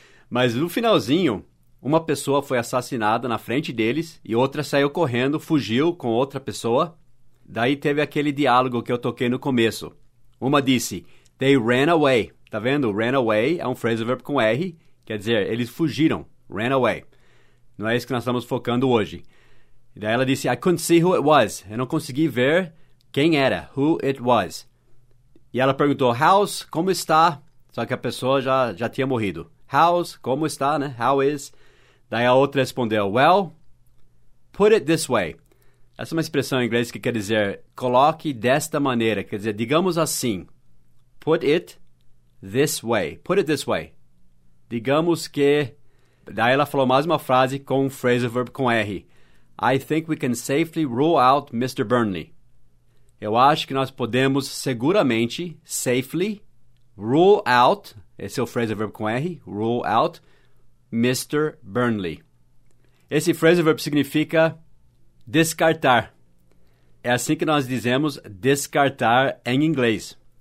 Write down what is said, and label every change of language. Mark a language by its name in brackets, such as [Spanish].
[Portuguese] Mas no finalzinho, uma pessoa foi assassinada na frente deles e outra saiu correndo, fugiu com outra pessoa. Daí teve aquele diálogo que eu toquei no começo. Uma disse, [English] they ran away. [Portuguese] Tá vendo? Ran away é um phrasal verb com R, quer dizer, eles fugiram. Ran away. Não é isso que nós estamos focando hoje. E daí ela disse, [English] I couldn't see who it was. [Portuguese] Eu não consegui ver quem era, [English] who it was. [Portuguese] E ela perguntou, how's, como está? Só que a pessoa já tinha morrido. How's, como está, né? How is? Daí a outra respondeu, [English] well, put it this way. [Portuguese] Essa é uma expressão em inglês que quer dizer, coloque desta maneira. Quer dizer, digamos assim, [English] put it this way. Put it this way. [Portuguese] Digamos que... Daí ela falou mais uma frase com um phrasal verb com R. [English] I think we can safely rule out Mr. Burnley. [Portuguese] Eu acho que nós podemos seguramente, safely, rule out, esse é o phrasal verb com R, rule out, Mr. Burnley. Esse phrasal verb significa descartar. É assim que nós dizemos descartar em inglês.